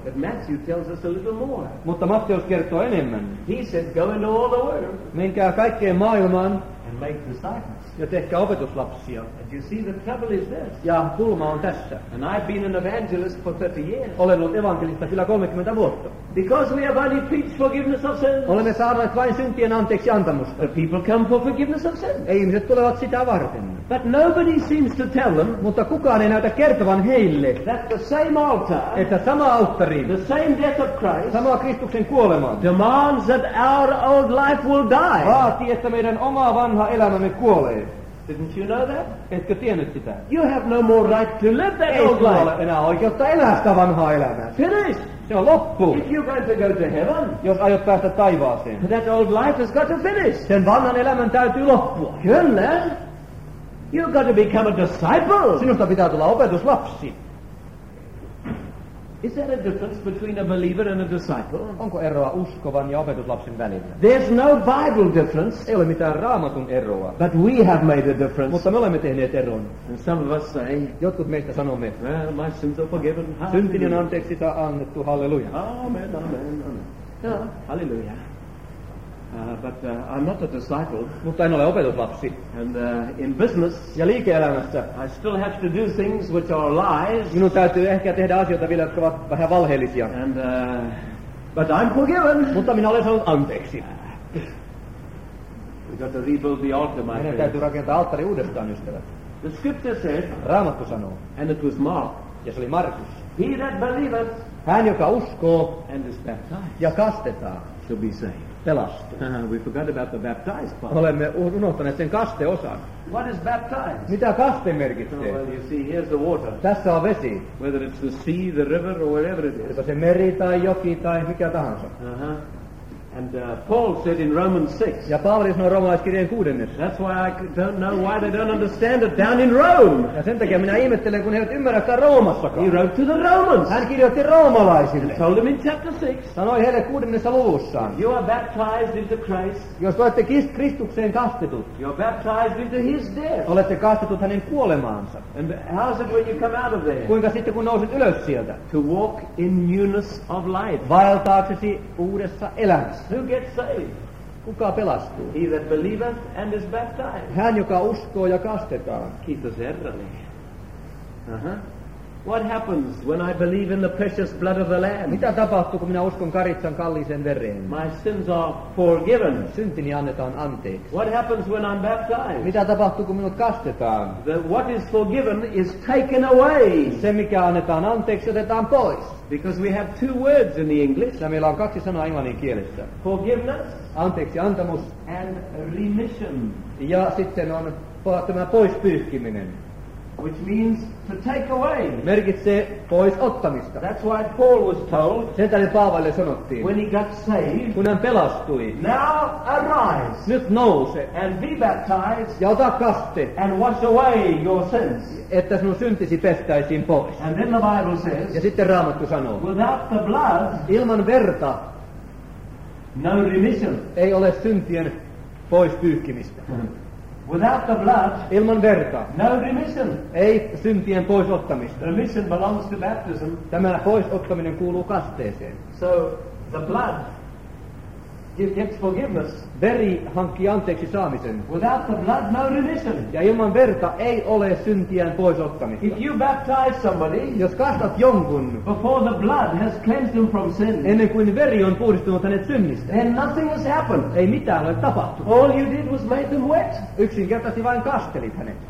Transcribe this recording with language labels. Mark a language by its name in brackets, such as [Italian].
[English] But Matthew tells us a little more. [Finnish] Mutta Matteus kertoo enemmän. [English] He said, go into all the world. [Finnish] Menkää kaikkeen maailmaan. [English] And make disciples. [Finnish] Ja tehkää opetuslapsia. [English] And you see, the trouble is this. [Finnish] Ja pulma on tässä. [English] And I've been an evangelist for 30 years. [Finnish] Olen ollut evankelista kyllä 30 vuotta. [English] Because we have only preached forgiveness of sins. [Finnish] Olemme saaneet vain syntien anteeksi antamusta. [English] The people come for forgiveness of sins. [Finnish] Ei, ihmiset tulevat sitä varten. [English] But nobody seems to tell them. [Finnish] Mutta kukaan ei näytä kertovan heille. [English] That the same altar. [Finnish] Että sama alttari. [English] The same death of Christ. [Finnish] Sama Kristuksen kuolema. [English] Demands that our old life will die. [Finnish] Vaatii, että meidän oma vanha elämämme kuolee. [English] Didn't you know that? [Finnish] Etkö tiennyt sitä? [English] You have no more right to live that old life. [Finnish] Ei ole enää oikeutta elää sitä vanhaa elämää. [English] Finish. [Finnish] Se on loppu. [English] If you're going to go to heaven, [Finnish] jos aiot päästä taivaaseen, [English] that old life has got to finish. [Finnish] Sen vanhan elämän täytyy loppua. Kyllä. [English] You've got to become a disciple. [Finnish] Sinusta pitää tulla opetuslapsi. [English] Is there a difference between a believer and a disciple? [Finnish] Onko eroa uskovan ja opetuslapsen välillä? [English] There's no Bible difference. [Finnish] Ei ole mitään raamatun eroa. [English] But we have made a difference. [Finnish] Mutta me olemme tehneet eron. [English] And some of us say, [Finnish] jotkut meistä sanomme, [English] well, my sins are forgiven. [Finnish] Syntinen anteeksi saa annettu. Halleluja. [English] Amen, amen, amen. Halleluja. But I'm not a disciple. [Finnish] Mutta en ole opetuslapsi. [English] And in business, [Finnish] ja liike-elämässä, [English] I still have to do things which are lies. [Finnish] Minun täytyy ehkä tehdä asioita vielä, jotka ovat vähän valheellisia. [English] And but I'm forgiven. [Finnish] Mutta minä olen saanut anteeksi. [English] We got to rebuild the altar, my friend. [Finnish] Meidän täytyy rakentaa alttari uudestaan, ystävät. [English] The scripture says, [Finnish] Raamattu sanoo, [English] and it was Mark. [Finnish] Ja se oli Markus. [English] He that believeth, [Finnish] hän joka uskoo, [English] and is baptized, [Finnish] ja kastetaan, [English] shall be saved. We forgot about the baptized part. [Finnish] Olemme unohtaneet sen kasteosan. [English] What is baptized? [Finnish] Mitä kaste merkitsee? [English] Oh, well, you see, here's the water. [Finnish] Tässä on vesi. [English] Whether it's the sea, the river, or wherever it is. [Finnish] Onko se meri tai joki tai mikä tahansa. [English] And Paul said in Romans 6. [Finnish] Ja Paavali sanoi roomalaiskirjeen 6. [English] That's why I don't know why they don't understand it down in Rome. [Finnish] Ja sen takia minä ihmettelen, kun he eivät ymmärrä sitä Roomassakaan. [English] He wrote to the Romans. [Finnish] Hän kirjoitti roomalaisille. [English] He told them in chapter 6. [Finnish] Sanoi heille 6. luvussaan. [English] You are baptized into Christ. [Finnish] Jos olette Kristukseen kastetut. [English] You are baptized into his death. [Finnish] Olette kastetut hänen kuolemaansa. [English] And how is it when you come out of there? [Finnish] Kuinka sitten, kun nouset ylös sieltä? [English] To walk in newness of life. [Finnish] Vaeltaaksesi uudessa elämässä. [English] Who gets saved? [Finnish] Kuka pelastuu? [English] He that believeth and is baptized. [Finnish] Hän, joka uskoo ja kastetaan. Kiitos Herralle. [English] What happens when I believe in the precious blood of the Lamb? [Finnish] Mitä tapahtuu, kun minä uskon karitsan kalliseen vereen? [English] My sins are forgiven. [Finnish] Syntini annetaan anteeksi. [English] What happens when I'm baptized? [Finnish] Mitä tapahtuu, kun minut kastetaan? [English] The, what is forgiven is taken away. [Finnish] Se, mikä annetaan anteeksi, otetaan pois. [English] Because we have two words in the English. [Finnish] Ja meillä on kaksi sanaa englannin kielessä. [English] Forgiveness. [Finnish] Anteeksi antamus. [English] And remission. [Finnish] Ja sitten on tämä pois pyyhkiminen. [English] Which means to take away. [Finnish] Merkitsee pois ottamista. [English] That's why Paul was told. [Finnish] Sen tälle Paavalle sanottiin. [English] When he got saved. [Finnish] Kun hän pelastui. [English] Now arise. [Finnish] Nyt nouse. [English] And be baptized. [Finnish] Ja ota kaste. [English] And wash away your sins. [Finnish] Että sinun syntisi pestäisiin pois. [English] And then the Bible says. [Finnish] Ja sitten Raamattu sanoo. [English] Without the blood. [Finnish] Ilman verta. [English] No remission. [Finnish] Ei ole syntien pois pyyhkimistä. [English] Without the blood, [Finnish] ilman verta, [English] no remission. [Finnish] Ei syntien poisottamista. [English] Remission belongs to baptism. [Finnish] Tämä poisottaminen kuuluu kasteeseen. [English] So the blood gets forgiveness. [Finnish] Veri hankkii anteeksi saamisen. [English] Without the blood, no remission. [Finnish] Ja ilman verta ei ole syntien poisottamista. [English] If you baptize somebody, [Finnish] jos kastat jonkun, [English] before the blood has cleansed him from sin, [Finnish] ennen kuin veri on puhdistunut hänet synnistä, [English] then nothing has happened. [Finnish] Ei mitään ole tapahtunut. [English] All you did was made them wet. [Finnish] Yksinkertaisesti vain kastelit hänet.